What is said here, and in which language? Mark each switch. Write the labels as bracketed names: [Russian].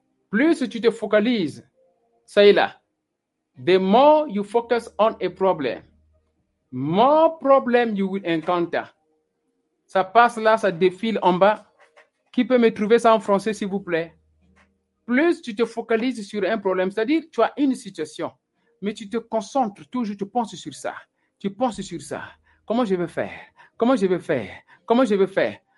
[French] plus tu te focalises, ça y est là. [English] The more you focus on a problem, more problem you will encounter. [French] Ça passe là, ça défile en bas. Qui peut me trouver ça en français, s'il vous plaît? Plus tu te focalises sur un problème, c'est-à-dire tu as une situation, mais tu te concentres toujours, tu penses sur ça. Tu penses sur ça. Comment je vais faire? Comment je vais faire? Comment je vais faire?